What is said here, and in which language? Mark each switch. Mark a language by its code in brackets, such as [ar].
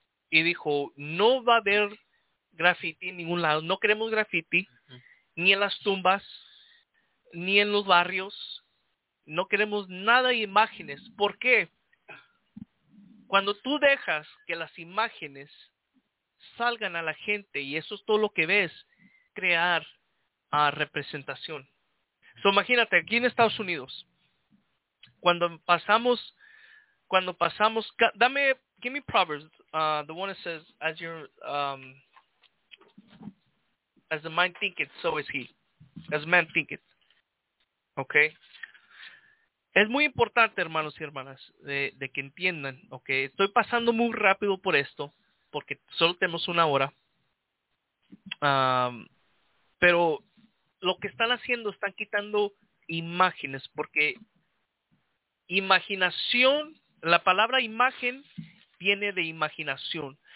[es] Y dijo, no va a haber graffiti en ningún lado, no queremos graffiti, ni en las tumbas, ni en los barrios, no queremos nada de imágenes. ¿Por qué? Cuando tú dejas que las imágenes salgan a la gente, y eso es todo lo que ves, crear representación. So, imagínate, aquí en Estados Unidos, cuando pasamos, [en] give me Proverbs, the one that says, as your, as the mind thinketh, so is he, as man thinketh, okay? [es] Es muy importante, hermanos y hermanas, de que entiendan, okay? Estoy pasando muy rápido por esto, porque solo tenemos una hora, pero... Lo que están haciendo, están quitando imágenes, porque imaginación, la palabra imagen viene de imaginación.